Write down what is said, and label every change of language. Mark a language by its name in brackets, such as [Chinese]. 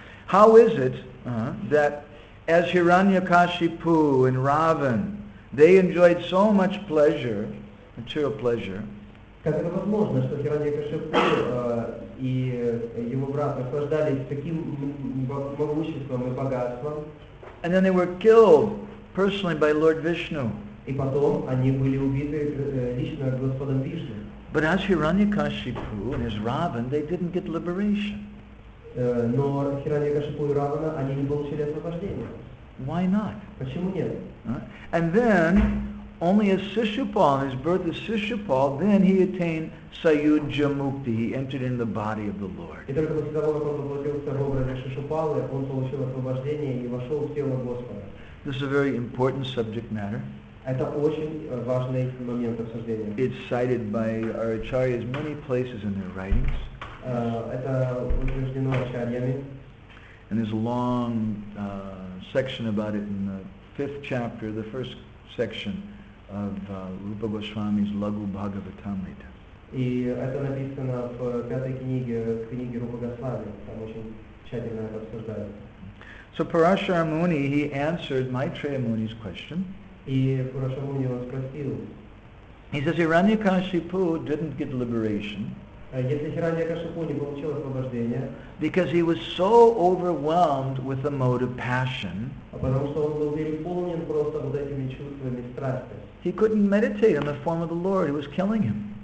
[English] How is it that as Hiranyakashipu and Ravan they enjoyed so much pleasure, material pleasure. [Russian] Как это возможно, что Хиранья-Кашипу и его брат наслаждались таким могуществом и богатством? [English] And then they were killed personally by Lord Vishnu. [Russian] И потом они были убиты лично Господом Вишну. [English] But as Hiranya-Kashipu and as Ravan, they didn't get liberation. [Russian] Но Хиранья-Кашипу и Равана, они не получили освобождения. [English] Why not? [Russian] Почему нет? [English] And then, only as Sishupal, his birth as Sishupal, then he attained Sayujya Mukti. He entered in the body of the Lord. [Russian] И только после того, как он воплотился в образе Сишупалы, он получил освобождение и вошел в тело Господа. [English] This is a very important subject matter. [Russian] Это очень важный момент обсуждения. [English] It's cited by our acharyas many places in their writings. [Russian] Это утверждено ачарьями. [English] And there's a long section about it in the fifth chapter, the first section of Rupa Goswami's Laghu Bhagavatamrita. [Russian] И это написано в пятой книге, в книге Рупа Госвами, там очень тщательно это обсуждается. [English] So Parashara Muni, he answered Maitreya Muni's question. [Russian] И Парашара Муни его спросил. [English] He says Hiranyakashipu didn't get liberation. [Russian] Если Хираньякашипу не получил освобождение, [English] because he was so overwhelmed with the mode of passion, [Russian] потому что он был переполнен просто вот этими чувствами страсти. [English] He couldn't meditate on the form of the Lord; it was killing him.